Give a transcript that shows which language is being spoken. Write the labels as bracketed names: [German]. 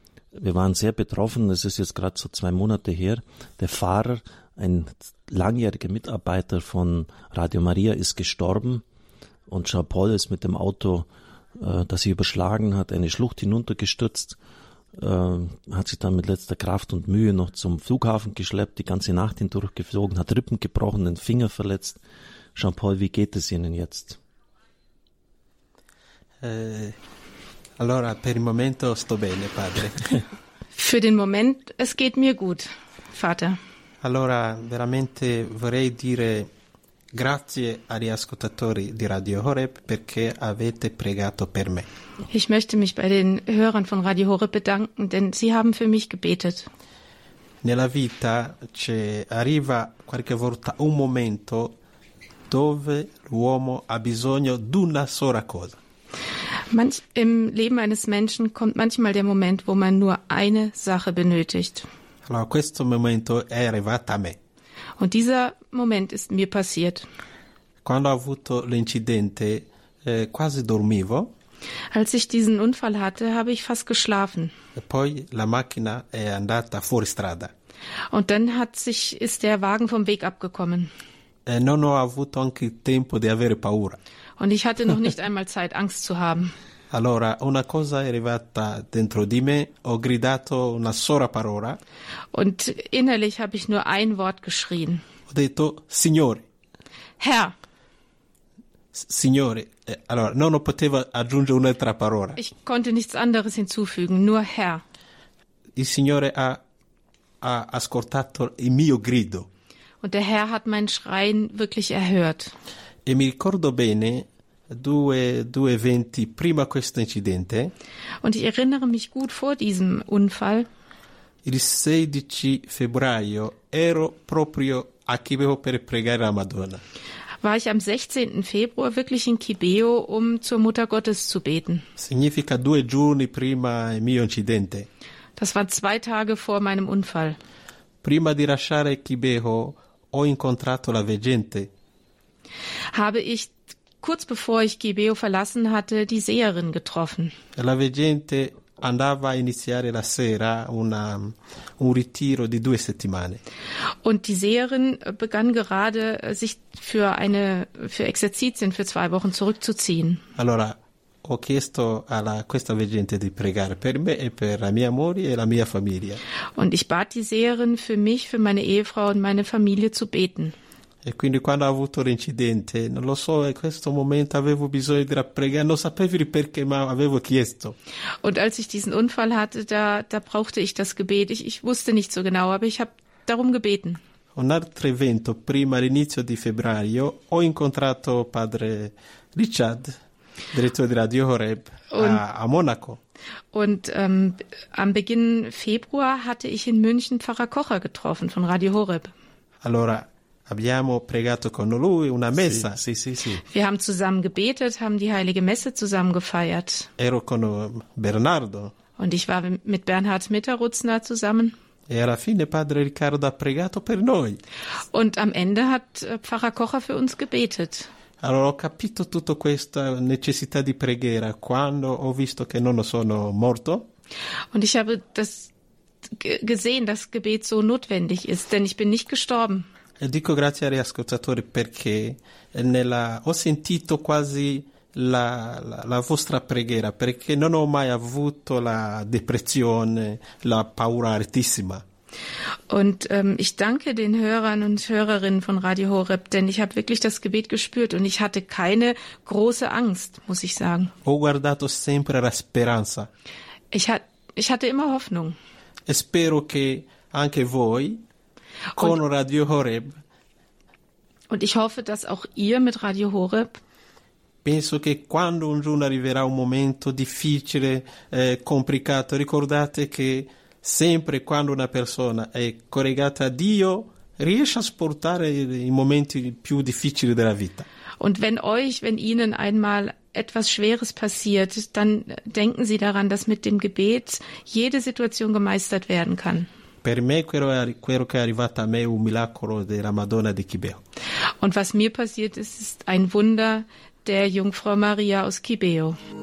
[German] Wir waren sehr betroffen, es ist jetzt gerade so 2 Monate her, der Pfarrer, ein langjähriger Mitarbeiter von Radio Maria, ist gestorben und Jean-Paul ist mit dem Auto, das sich überschlagen hat, eine Schlucht hinuntergestürzt, hat sich dann mit letzter Kraft und Mühe noch zum Flughafen geschleppt, die ganze Nacht hindurch geflogen, hat Rippen gebrochen, den Finger verletzt. Jean-Paul, wie geht es Ihnen jetzt? [Italian] Allora, per il momento sto bene, padre. [German] Für den Moment, es geht mir gut, Vater. [Italian] Allora, veramente vorrei dire grazie agli ascoltatori di Radio Horeb, perché avete pregato per me. [German] Ich möchte mich bei den Hörern von Radio Horeb bedanken, denn sie haben für mich gebetet. [Italian] Nella vita ci arriva qualche volta un momento dove l'uomo ha bisogno d'una sola cosa. [German] Im Leben eines Menschen kommt manchmal der Moment, wo man nur eine Sache benötigt. [Italian] Allora, questo momento è arrivato a me. [German] Und dieser Moment ist mir passiert. [Italian] Quando ho avuto l'incidente, quasi dormivo. [German] Als ich diesen Unfall hatte, habe ich fast geschlafen. [Italian] E poi la macchina è andata fuori strada. [German] Und dann ist der Wagen vom Weg abgekommen. [Italian] E non ho avuto anche tempo di avere paura. [German] Und ich hatte noch nicht einmal Zeit, Angst zu haben. [Italian] Allora, una cosa è arrivata dentro di me, ho gridato una sola parola. [German] Und innerlich habe ich nur ein Wort geschrien. [Italian] Ho detto, Signore. [German] Herr. [Italian] Signore. Allora, non potevo aggiungere un'altra parola. [German] Ich konnte nichts anderes hinzufügen, nur Herr. [Italian] Il Signore ha ascoltato il mio grido. [German] Und der Herr hat meinen Schreien wirklich erhört. [Italian] E mi ricordo bene due eventi prima questo incidente. [German] Und ich erinnere mich gut vor diesem Unfall. [Italian] Il 16 febbraio ero proprio a Kibeho per pregare la Madonna. [German] War ich am 16. Februar wirklich in Kibeho, um zur Mutter Gottes zu beten. [Italian] Significa 2 giorni prima il mio incidente. [German] Das war 2 Tage vor meinem Unfall. [Italian] Prima di lasciare Kibeho ho incontrato la veggente. [German] Habe ich kurz bevor ich Kibeho verlassen hatte, die Seherin getroffen. [Italian] La veggente andava a iniziare la sera un ritiro di 2 settimane. [German] Und die Seherin begann gerade, sich für Exerzitien für 2 Wochen zurückzuziehen. [Italian] Allora, ho chiesto a questa veggente di pregare per me e per la mia moglie e la mia famiglia. [German] Und ich bat die Seherin, für mich, für meine Ehefrau und meine Familie zu beten. [Italian] E quindi quando ho avuto l'incidente, non lo so, in questo momento avevo bisogno di pregare, non sapevo il perché, ma avevo chiesto. [German] Und als ich diesen Unfall hatte, da brauchte ich das Gebet. Ich wusste nicht so genau, aber ich habe darum gebeten. [Italian] Un altro evento, prima all'inizio di febbraio, ho incontrato padre Richard, direttore di Radio Horeb, a Monaco. [German] Und am Beginn Februar hatte ich in München Pfarrer Kocher getroffen von Radio Horeb. [Italian] Allora, abbiamo pregato con lui una messa. Sì, sì, sì. [German] Wir haben zusammen gebetet, haben die heilige Messe zusammen gefeiert. [Italian] Ero con Bernardo. [German] Und ich war mit Bernhard Mitterutzner zusammen. [Italian] E alla fine padre Riccardo ha pregato per noi. [German] Und am Ende hat Pfarrer Kocher für uns gebetet. [Italian] Allora ho capito tutto questa necessità di preghiera quando ho visto che non sono morto. [German] Und ich habe das gesehen, dass Gebet so notwendig ist, denn ich bin nicht gestorben. [Italian] Dico grazie agli ascoltatori perché ho sentito quasi la vostra preghiera, perché non ho mai avuto la depressione, la paura altissima. [German] Und ich danke den Hörern und Hörerinnen von Radio Horeb, denn ich habe wirklich das Gebet gespürt und ich hatte keine große Angst, muss ich sagen. [Italian] Ho guardato sempre la speranza. [German] Ich hatte immer Hoffnung. [Italian] E spero che anche voi con und, Radio Horeb. [German] Und ich hoffe, dass auch ihr mit Radio Horeb. [Italian] Penso che quando un giorno arriverà un momento difficile, complicato, ricordate che sempre quando una persona è collegata a Dio riesce a sopportare i momenti più difficili della vita. [German] Und wenn euch, wenn ihnen einmal etwas Schweres passiert, dann denken Sie daran, dass mit dem Gebet jede Situation gemeistert werden kann. [Italian] Per me quello che è arrivato a me è un miracolo della Madonna di Kibeo. [German] Und was mir passiert ist, ist ein Wunder der Jungfrau Maria aus Kibeo.